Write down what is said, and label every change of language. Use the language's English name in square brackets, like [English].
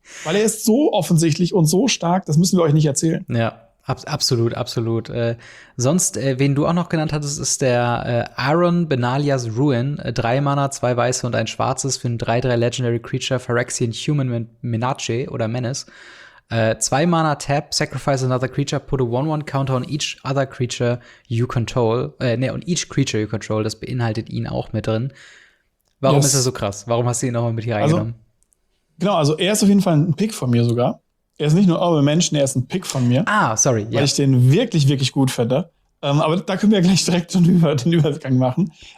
[German] Weil er ist so offensichtlich und so stark, das müssen wir euch nicht erzählen. Ja, absolut, absolut. Sonst, wen du auch noch genannt hattest, ist der Aaron Benalias Ruin. 3 Mana, 2 weiße und ein schwarzes für ein 3-3 Legendary Creature Phyrexian Human Menace oder Menace. [English] 2 Mana tap, sacrifice another creature, put a 1-1 counter on each other creature you control. On each creature you control, [German] das beinhaltet ihn auch mit drin. Warum ist er so krass? Warum hast du ihn nochmal mit hier reingenommen? Also er ist auf jeden Fall ein Pick von mir sogar. Er ist nicht nur Honorable Mention, er ist ein Pick von mir. Ah, sorry. Weil ich den wirklich, wirklich gut fände. Aber da können wir ja gleich direkt schon über den Übergang machen.